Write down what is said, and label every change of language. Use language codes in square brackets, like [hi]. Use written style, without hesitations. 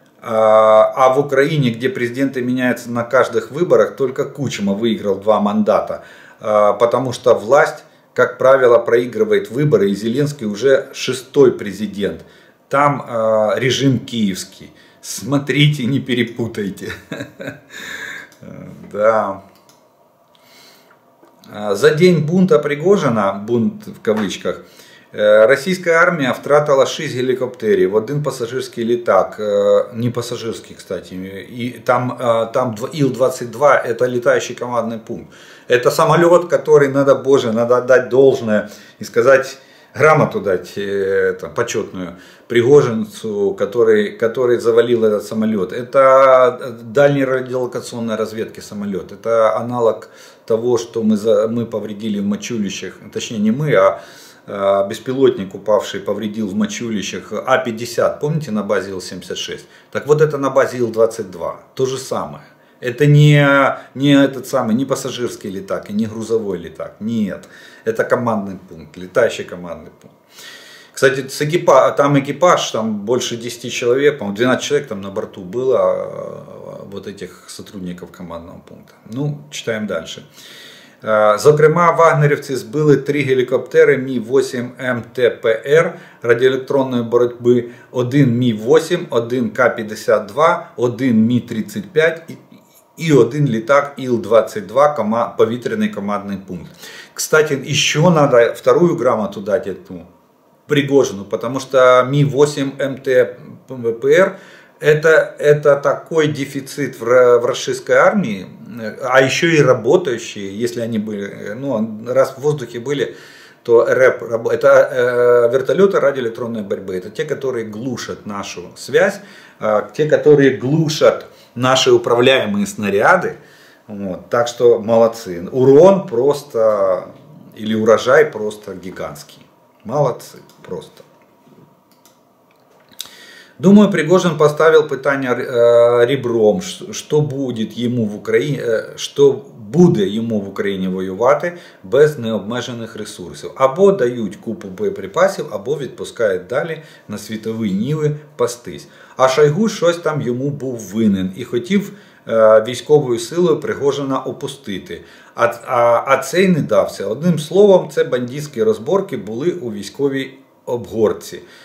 [ru] А в Украине, где президенты меняются на каждых выборах, только Кучма выиграл 2 мандата. Потому что власть, как правило, проигрывает выборы, и Зеленский уже 6-й президент. Там режим киевский. Смотрите, не перепутайте. Да. За день бунта Пригожина, бунт в кавычках, российская армия [uk] втратила 6 гелікоптерів, один пасажирський літак, не пасажирський, [ru] кстати, і там Іл-22, это летающий командный пункт. Это самолет, который надо, боже, надо отдать должное и сказать, грамоту дать это, почетную Пригожинцу, который завалил этот самолет. Это дальний радиолокационной разведки самолет, это аналог того, что мы повредили в Мочулищах, точнее не мы, а беспилотник упавший повредил в Мочулищах А-50, помните, на базе Ил-76? Так вот это на базе Ил-22, то же самое. Это не этот самый, не пассажирский летак и не грузовой летак, нет. Это командный пункт, летающий командный пункт. Кстати, там экипаж, там больше 10 человек, по-моему, 12 человек там на борту было, вот этих сотрудников командного пункта. Ну, читаем дальше. [uk] Зокрема, вагнерівці збили 3 гелікоптери Мі-8 МТПР радіоелектронної боротьби, один Мі-8, один К-52, один Мі-35 і один літак Іл-22, повітряний командний пункт. [ru] Кстати, [uk] ще треба вторую грамоту дати цьому Пригожину, тому що [ru] Мі-8 МТПР Это такой дефицит в российской армии, а еще и работающие, если они были, ну, раз в воздухе были, то РЭП, это вертолеты радиоэлектронной борьбы, это те, которые глушат нашу связь, те, которые глушат наши управляемые снаряды, вот, так что молодцы, урон просто, или урожай просто гигантский, молодцы просто. Думаю, Пригожин поставил питання ребром, что будет ему в Украине, что будет ему в Украине воювати без необмежених ресурсов. [uk] Або дають купу боєприпасів, або відпускають далі на світові ніви пастись. А Шойгу щось там йому був винен і хотів військовою силою Пригожина опустити. А цей не дався. Одним словом, це бандитські розборки були у військовій обгорці.